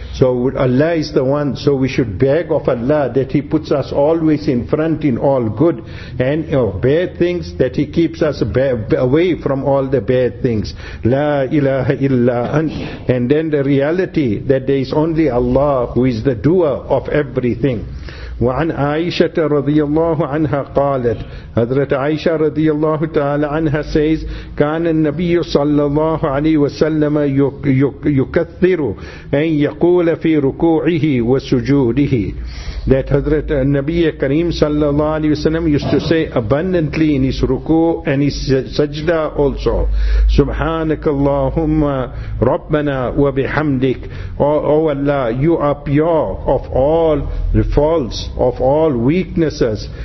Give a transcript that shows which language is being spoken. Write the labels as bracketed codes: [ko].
[en] So Allah is the one, so we should beg of Allah that He puts us always in front in all good and bad things, that He keeps us away from all the bad things. [ar] La ilaha illa ant. [en] And then the reality that there is only Allah who is the doer of everything. [ar] وعن عائشة رضي الله عنها قالت. Hazrat Aisha رضي الله تعالى عنها [en] says, [ar] كان النبي صلى الله عليه وسلم يكثر أن يقول في ركوعه وسجوده. [en] That Hazrat Nabi Kareem sallallahu alayhi wasallam used to say abundantly in his ruku' and his sajda also, [ar] Subhanakallahumma Rabbana wa bihamdik. [en] Oh Allah, you are pure of all faults, of all weaknesses.